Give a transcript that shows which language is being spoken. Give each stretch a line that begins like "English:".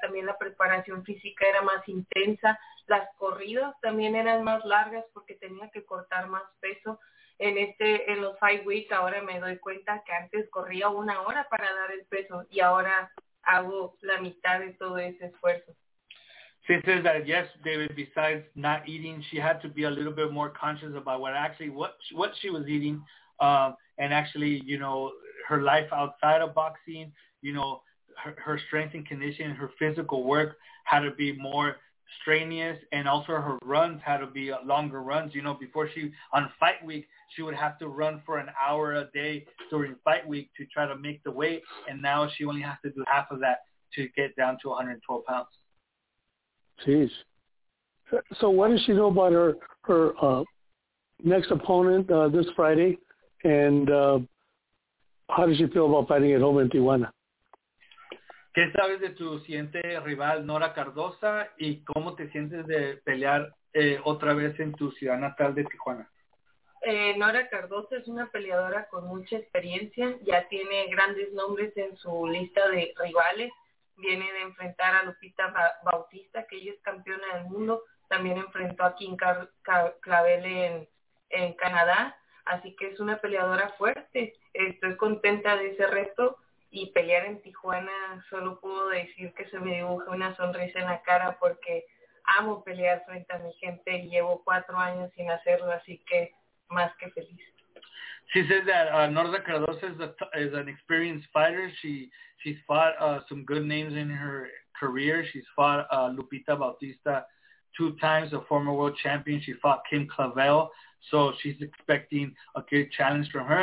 Spanish: También la preparación física era más intensa. Las corridas también eran más largas porque tenía que cortar más peso. En los
English: 5 weeks
Spanish: ahora me doy cuenta que antes corría 1 hora para dar el peso y ahora hago la mitad de todo ese esfuerzo.
English: She says that yes, David, besides not eating, she had to be a little bit more conscious about what she was eating and actually, you know, her life outside of boxing, you know, her strength and conditioning, her physical work had to be more strenuous and also her runs had to be longer runs, you know, before she, on fight week, she would have to run for 1 hour a day during fight week to try to make the weight, and now she only has to do half of that to get down to 112 pounds. Jeez. So what does she know about her next opponent this Friday, and how does she feel about fighting at home in Tijuana?
Spanish: ¿Qué sabes de tu siguiente rival, Nora Cardoza, y cómo te sientes de pelear otra vez en tu ciudad natal de Tijuana? Nora Cardoza es una peleadora con mucha experiencia, ya tiene grandes nombres en su lista de rivales, viene de enfrentar a Lupita Bautista, que ella es campeona del mundo, también enfrentó a Kim Clavel en Canadá, así que es una peleadora fuerte, estoy contenta de ese reto, y pelear en Tijuana, solo puedo decir que se me dibuja una sonrisa en la cara, porque amo pelear frente a mi gente, y llevo 4 años sin hacerlo, así que
English: she says that Norda Cardoza is an experienced fighter. She's fought some good names in her career. She's fought Lupita Bautista 2 times, a former world champion. She fought Kim Clavel. So she's expecting a good challenge from her.